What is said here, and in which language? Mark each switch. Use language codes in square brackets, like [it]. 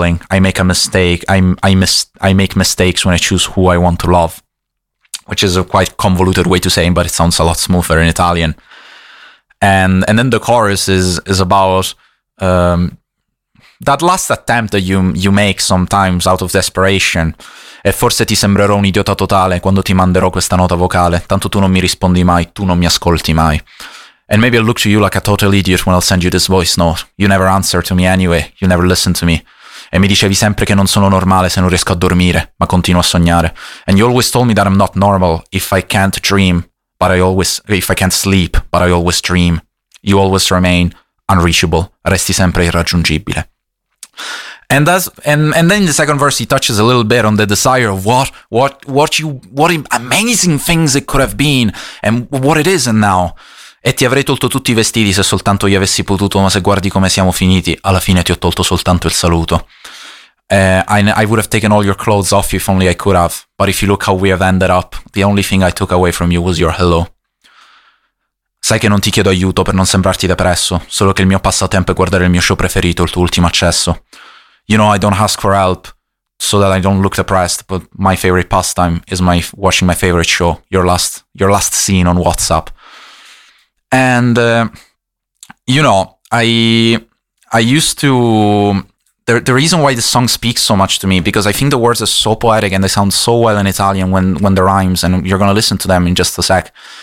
[en] I make mistakes when I choose who I want to love. Which is a quite convoluted way to say it, but it sounds a lot smoother in Italian. And then the chorus is about that last attempt that you make sometimes out of desperation. [it] E forse ti sembrerò un idiota totale quando ti manderò questa nota vocale. Tanto tu non mi rispondi mai, tu non mi ascolti mai. [en] And maybe I'll look to you like a total idiot when I'll send you this voice note. You never answer to me anyway, you never listen to me. [it] E mi dicevi sempre che non sono normale se non riesco a dormire, ma continuo a sognare. [en] And you always told me that I'm not normal if I can't dream, but I always, if I can't sleep, but I always dream. You always remain unreachable. Resti sempre irraggiungibile. And then in the second verse he touches a little bit on the desire of what amazing things it could have been and what it isn't now. [it] E ti avrei tolto tutti i vestiti se soltanto io avessi potuto, ma se guardi come siamo finiti, alla fine ti ho tolto soltanto il saluto. [en] I would have taken all your clothes off if only I could have, but if you look how we have ended up, the only thing I took away from you was your hello. [it] Sai che non ti chiedo aiuto per non sembrarti depresso, solo che il mio passatempo è guardare il mio show preferito, il tuo ultimo accesso. [en] You know I don't ask for help so that I don't look depressed, but my favorite pastime is my watching my favorite show, your last scene on WhatsApp. And, you know, I used to, the reason why this song speaks so much to me, because I think the words are so poetic and they sound so well in Italian when the rhymes, and you're going to listen to them in just a sec.